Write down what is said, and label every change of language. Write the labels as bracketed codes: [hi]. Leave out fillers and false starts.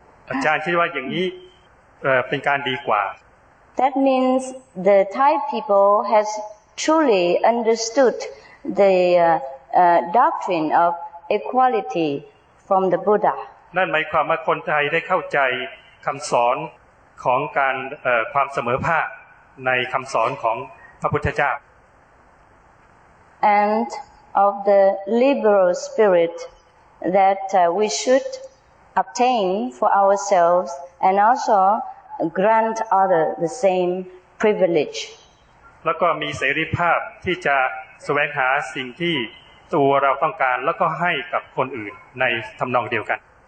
[th] อาจารย์คิดว่าอย่างนี้เป็นการดีกว่า [en] That means the Thai people has truly understood the doctrine of equality from the Buddha [th] นั่นหมายความว่าคนไทยได้เข้าใจคำสอนของการความเสมอภาคในคำสอนของพระพุทธเจ้า [en] And of the liberal spirit that we should obtain for ourselves and alsogrant other the same privilege [th] แล้วก็มีเสรีภาพที่จะแสวงหาสิ่งที่ตัวเราต้องการแล้วก็ให้กับคนอื่นในทํานองเดียวกัน